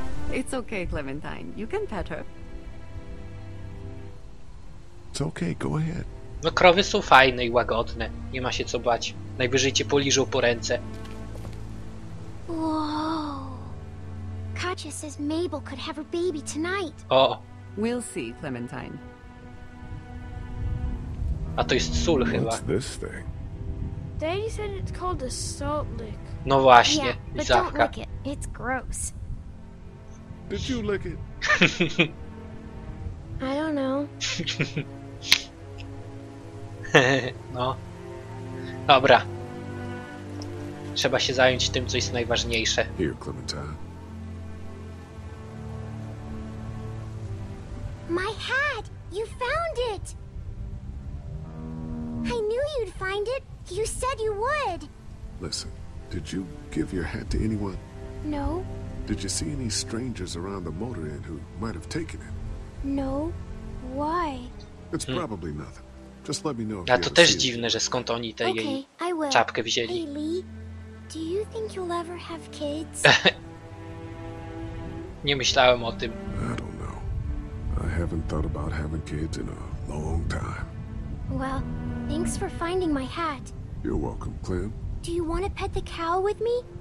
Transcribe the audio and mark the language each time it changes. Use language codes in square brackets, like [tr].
[en] It's okay, Clementine. You can pet her. It's okay, go ahead. [pl] No, krowy są fajne i łagodne. Nie ma się co bać. Najwyżej cię poliżą po ręce. [en] Wow. Katja says Mabel could have her baby tonight. O. We'll see, Clementine. [pl] A to jest sól chyba. [en] What's this thing? Daddy said it's called a salt lick. [pl] No właśnie, [en] yeah, but don't lick it. It's gross. Did you lick it? I don't know. [pl] No. Dobra. Trzeba się zająć tym, co jest najważniejsze. [en] Here, Clementine. My hat! You found it! I knew you'd find it. You said you would. Listen, did you give your hat to anyone? No. Did you see any strangers around the motor inn who might have taken it? No. Why? It's probably nothing. Just let me know. [pl] Ja, to też dziwne, że skąd oni tę jej czapkę wzięli. [en] Hey, Lee, do you think you'll ever have kids? [pl] Nie myślałem o tym. [en] I don't know. I haven't thought about having kids in a long time. Well, thanks for finding my hat. You're welcome, Clem. Do you want to pet the cow with me?